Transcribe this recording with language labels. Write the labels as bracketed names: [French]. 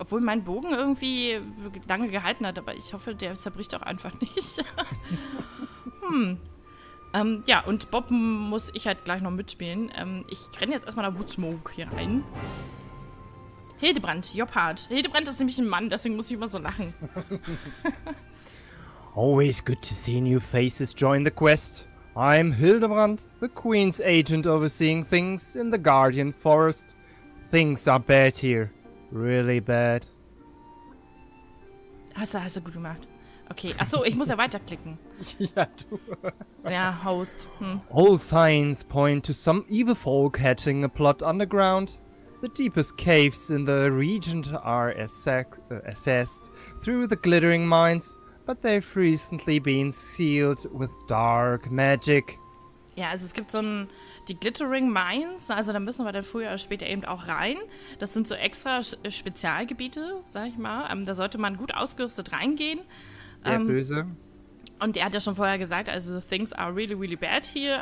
[German] Obwohl mein Bogen irgendwie lange gehalten hat, aber ich hoffe, der zerbricht auch einfach nicht. ja, und Bob muss ich halt gleich noch mitspielen. Ich renne jetzt erstmal nach Woodsmoke hier rein. Hildebrand, Jobhard. Hildebrand ist nämlich ein Mann, deswegen muss ich immer so lachen. [English] Always good to see new faces join the quest. I'm Hildebrand, the Queen's agent overseeing things in the Guardian Forest. Things are bad here. Really bad. [German] Hast du gut gemacht. Okay, achso, ich muss ja weiterklicken. Ja, du. Ja, Host. [English] All signs point to some evil folk hatching a plot underground. The deepest caves in the region are accessed through the glittering mines, but they've recently been sealed with dark magic. [German] Ja, also es gibt so ein, die Glittering Mines, also da müssen wir dann früher oder später eben auch rein. Das sind so extra Spezialgebiete, sag ich mal. Da sollte man gut ausgerüstet reingehen. Der Böse. Und er hat ja schon vorher gesagt, also [English] things are really, really bad here.